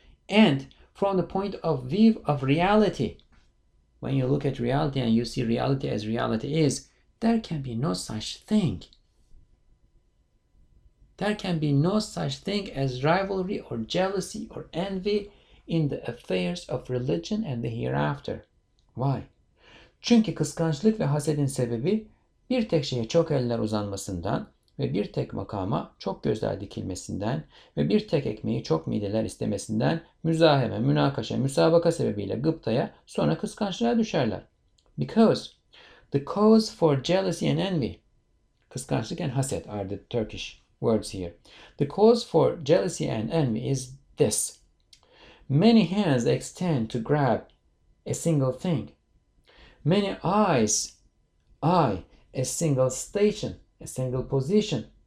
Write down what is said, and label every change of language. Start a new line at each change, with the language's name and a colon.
English: And from the point of view of reality, when you look at reality and you see reality as reality is, there can be no such thing. There can be no such thing as rivalry or jealousy or envy in the affairs of religion and the hereafter. Why?
Turkish: Çünkü kıskançlık ve hasedin sebebi bir tek şeye çok eller uzanmasından ve bir tek makama çok gözler dikilmesinden ve bir tek ekmeği çok mideler istemesinden müzaheme, münakaşa, müsabaka sebebiyle gıptaya sonra kıskançlığa düşerler.
English: Because the cause for jealousy and envy, kıskançlık and haset are the Turkish words here. The cause for jealousy and envy is this. Many hands extend to grab a single thing. Many eyes eye a single station, a single position.